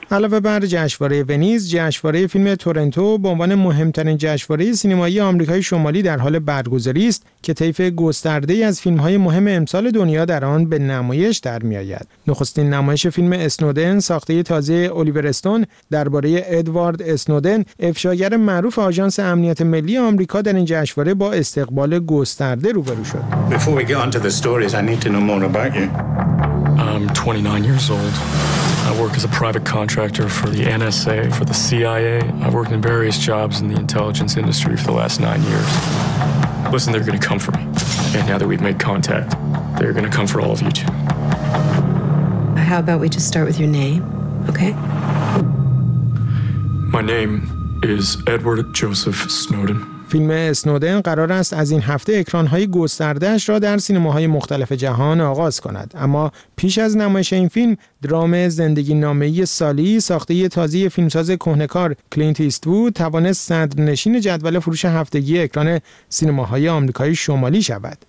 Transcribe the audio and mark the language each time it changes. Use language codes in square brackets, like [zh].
[fa] علاوه بر جشنواره ونیز، جشنواره فیلم تورنتو به عنوان مهمترین جشنواره سینمایی آمریکای شمالی در حال برگزاری است که طیف گسترده‌ای از فیلم‌های مهم امسال دنیا در آن به نمایش در می‌آید. نخستین نمایش فیلم اسنودن ساخته تازه الیور استون درباره ادوارد اسنودن، افشاگر معروف آژانس امنیت ملی آمریکا، در این جشنواره با استقبال گسترده روبرو شد. [en] Before we get on to the stories, I need to know more about you. I'm 29 years old. I work as a private contractor for the NSA, for the CIA. I've worked in various jobs in the intelligence industry for the last 9 years. Listen, they're going to come for me. And now that we've made contact, they're going to come for all of you too. How about we just start with your name, okay? My name is Edward Joseph Snowden. [fa] فیلم اسنودن قرار است از این هفته اکران‌های گسترده‌اش را در سینماهای مختلف جهان آغاز کند. اما پیش از نمایش این فیلم، درام زندگی نامه‌ای سالی ساخته تازه فیلمساز کهنه‌کار کلینت ایستوود توانست صدرنشین جدول فروش هفتگی اکران سینماهای آمریکای شمالی شود.